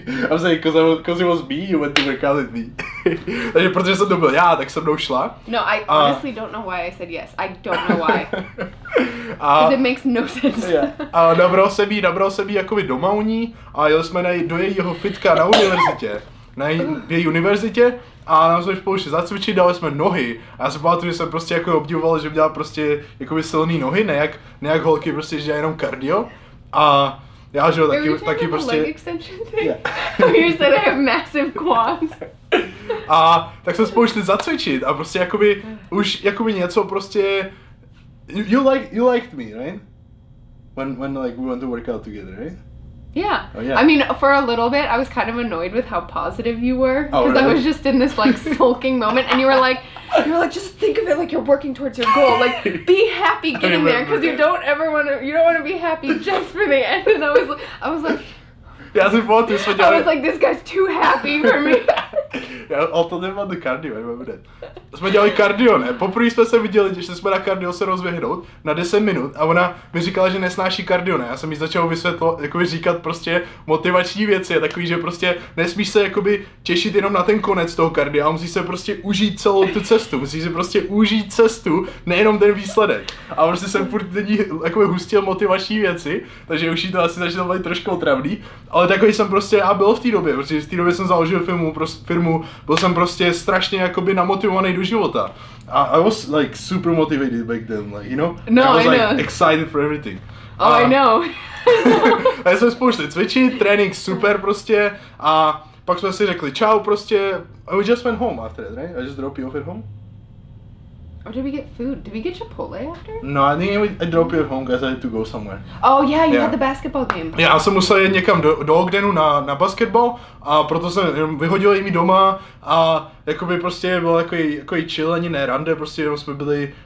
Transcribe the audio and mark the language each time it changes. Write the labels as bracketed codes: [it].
[cs] A jsem říkal, [en] because it was me, you went to work out with me. [cs] Takže protože jsem to byl já, tak se mnou šla. [en] No, I honestly don't know why I said yes. I don't know why. Because it makes no sense. [cs] Yeah. A nabral jsem jí jakoby doma u ní a jeli jsme do jejího fitka na univerzitě. V její univerzitě a nám jsme spolu šli zacvičit, dali jsme nohy a já se pamatuju, že jsem prostě jako obdivoval, že měla prostě jakoby silný nohy, nejak holky, prostě že dělá jenom kardio a já žil taky prostě... [en] Yeah. You said I have massive quads. [cs] A tak jsme spolu šli zacvičit a prostě jakoby už jakoby něco prostě... [en] You liked me, right? When like we went to work out together, right? Yeah. Oh, yeah, I mean, for a little bit, I was kind of annoyed with how positive you were, because oh, really? I was just in this like sulking moment, and you were like, just think of it like you're working towards your goal, like be happy getting there, because you don't want to be happy just for the end. And I was like, yeah, as we both just went. I was like, this guy's too happy for me. [cs] Já o to nemám do kardio, nevím, ne. Jsme dělali kardio, ne? Poprvé jsme se viděli, že jsme na kardio se rozběhnout na 10 minut a ona mi říkala, že nesnáší kardio, ne? Já jsem jí začal říkat prostě motivační věci, takový, že prostě nesmíš se jakoby těšit jenom na ten konec toho kardia, ale musíš se prostě užít celou tu cestu, musíš se prostě užít cestu, nejenom ten výsledek. A prostě jsem furt jakoby hustil motivační věci, takže už jí to asi začalo být trošku otravný. Ale takový jsem prostě já byl v té době, protože v té době jsem založil firmu, byl jsem prostě strašně jakoby namotivovaný do života. [en] A I was like super motivated back then, like, you know? No, I was like excited for everything. Oh, I know. [cs] A jsme spolu šli cvičit, trénink super prostě a pak jsme si řekli čau prostě. [en] I just went home after that, right? I just dropped you off at home. Or did we get food? Did we get Chipotle after? No, I think I dropped you at home because I had to go somewhere. Oh yeah, you had the basketball game. [cs] Yeah, já jsem musel jít někam do Ogdenu na basketball a proto jsem vyhodil jí doma a jakoby prostě bylo jako chill, ani ne rande, prostě jenom jsme byli